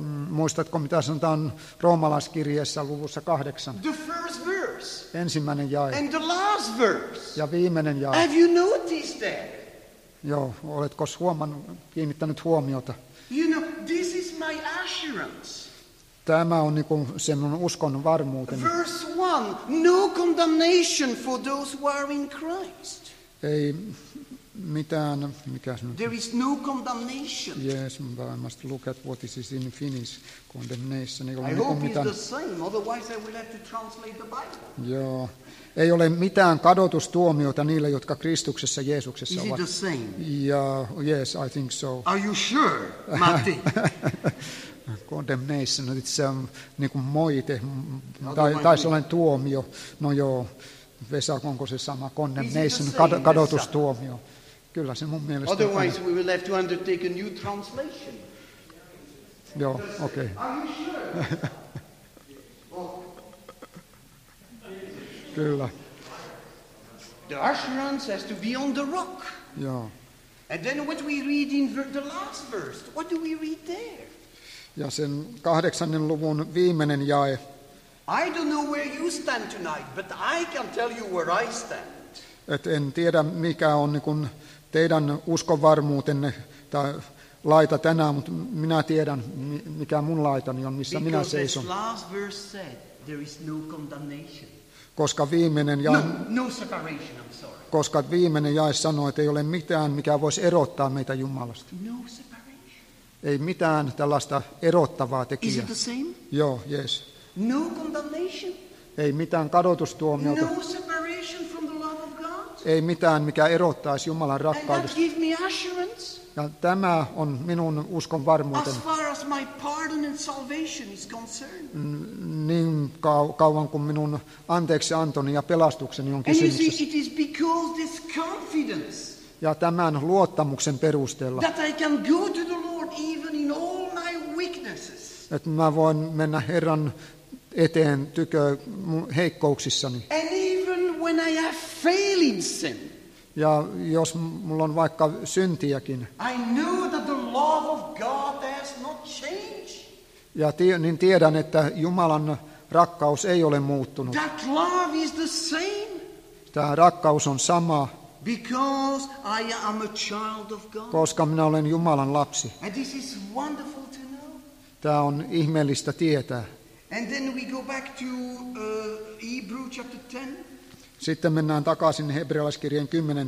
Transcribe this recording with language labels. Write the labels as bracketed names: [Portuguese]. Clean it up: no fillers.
[Finnish] Muistatko, mitä sanotaan roomalaiskirjeessä luvussa 8? [English] The first verse. [Finnish] Ensimmäinen jae. [English] And the last verse. [Finnish] Ja viimeinen jae. [English] Have you noticed that? [Finnish] Joo, oletko kiinnittänyt huomiota? [English] You know, this is my assurance. [Finnish] Tämä on niin kuin sen uskon varmuuteni. [English] Verse 1, no condemnation for those who are in Christ. [Finnish] Ei mitään, mikä se nyt? [English] There is no condemnation. Yes, but I must look at what is in Finnish, condemnation. I hope it's the same, otherwise I will have to translate the Bible. [Finnish] Joo. Ei ole mitään kadotustuomiota niille, jotka Kristuksessa Jeesuksessa ovat. [English] Is it the same? Yes, I think so. Are you sure, Matti? Condemnation, it's [Finnish] niin kuin moite, tai se olen tuomio. No joo, Vesa, onko se sama condemnation, kadotustuomio? Vesa? Kyllä se mun mielestä [English] otherwise on. Otherwise we will have to undertake a new translation. [Finnish] Joo, okei. [English] Okay. Are you sure? [Finnish] Kyllä. [English] The assurance has to be on the rock. [Finnish] Joo. [English] And then what we read in the last verse, what do we read there? [Finnish] Ja sen 8. luvun viimeinen jae. [English] I don't know where you stand tonight, but I can tell you where I stand. [Finnish] Et en tiedä mikä on niin kun teidän uskonvarmuutenne tai laita tänään, mutta minä tiedän mikä mun laitani on, missä [English] because [Finnish] minä seison. [English] Because the last verse said there is no condemnation. [Finnish] Koska viimeinen jae, [English] no separation, I'm sorry. [Finnish] Koska viimeinen jae sanoi, että ei ole mitään, mikä voisi erottaa meitä Jumalasta. [English] No separation. [Finnish] Ei mitään tällaista erottavaa tekijää. [English] Is it the same? [Finnish] Joo, [English] yes. No condemnation. [Finnish] Ei mitään kadotustuomiota. [English] No separation from the love of God. [Finnish] ei mitään, mikä erottaisi Jumalan rakkaudesta. [English] And that give me assurance. [Finnish] Ja tämä on minun uskon varmuuteni. [English] As far as my pardon and salvation is concerned. [Finnish] Niin kauan kuin minun anteeksi antoni ja pelastukseni on kysymyksessä. [English] And you see, it is because this confidence. [Finnish] Ja tämän luottamuksen perusteella. [English] That I can go to the Lord even in all my weaknesses. [Finnish] Että mä voin mennä Herran eteen tykö heikkouksissani. [English] And even when I have failed in sin. [Finnish] Ja jos mulla on vaikka syntiäkin. [English] I know that the love of God has not changed. [Finnish] Ja niin tiedän, että Jumalan rakkaus ei ole muuttunut. [English] That love is the same. [Finnish] Tämä rakkaus on sama. [English] Because I am a child of God. [Finnish] Koska minä olen Jumalan lapsi. [English] And this is wonderful to know. [Finnish] Tämä on ihmeellistä tietää. [English] And then we go back to Hebrew chapter 10. [Finnish] Sitten mennään takaisin hebrealaiskirjeen 10.